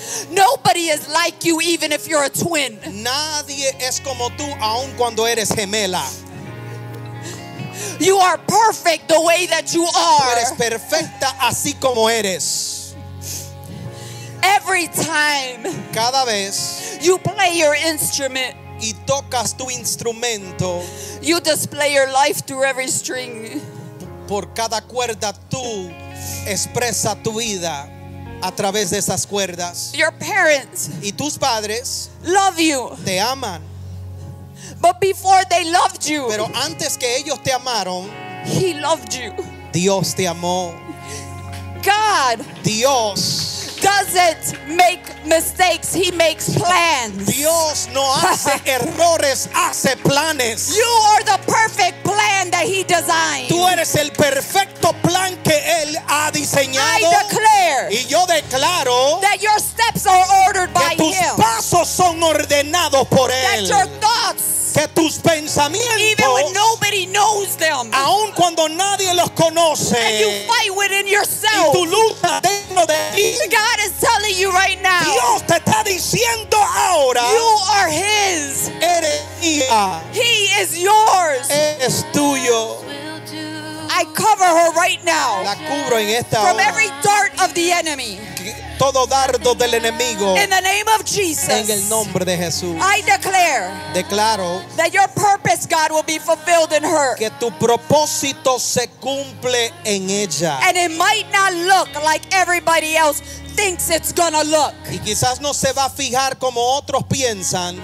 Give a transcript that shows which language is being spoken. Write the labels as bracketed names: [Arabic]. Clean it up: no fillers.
[English] Nobody is like you, even if you're a twin. [Spanish] Nadie es como tú, aun cuando eres gemela. [English] You are perfect the way that you are. [Spanish] Eres perfecta así como eres. [English] Every time, [Spanish] cada vez, [English] you play your instrument, [Spanish] y tocas tu instrumento, [English] you display your life through every string. [Spanish] Por cada cuerda tú expresa tu vida a través de esas cuerdas. [English] Your parents, [Spanish] y tus padres, [English] love you, [Spanish] te aman. [English] But before they loved you, [Spanish] pero antes que ellos te amaron, [English] he loved you. [Spanish] Dios te amó. [English] God, [Spanish] Dios, [English] doesn't make mistakes, he makes plans. [Spanish] Dios no hace errores, hace planes. [English] You are the perfect plan that he designed. [Spanish] Tú eres el perfecto plan que él ha diseñado. [English] I declare, [Spanish] y yo declaro, [English] that your steps are ordered by him. [Spanish] Que tus pasos son ordenados por él. [English] That your thoughts, [Spanish] que tus pensamientos, [English] even when nobody knows them, [Spanish] aun cuando nadie los conoce, [English] and you fight within yourself, [Spanish] y tu lucha dentro de ti, [English] God is telling you right now, [Spanish] Dios te está diciendo ahora, [English] you are his, [Spanish] eres mía, [English] he is yours, [Spanish] es tuyo. [English] I cover her right now, [Spanish] la cubro en esta [English] from every dart of the enemy, [Spanish] todo dardo del enemigo, [English] in the name of Jesus, [Spanish] en el nombre de Jesús. [English] I declare, [Spanish] declaro, [English] that your purpose, God, will be fulfilled in her, [Spanish] que tu propósito se cumple en ella, [English] and it might not look like everybody else thinks it's gonna look, [Spanish] y quizás no se va a fijar como otros piensan,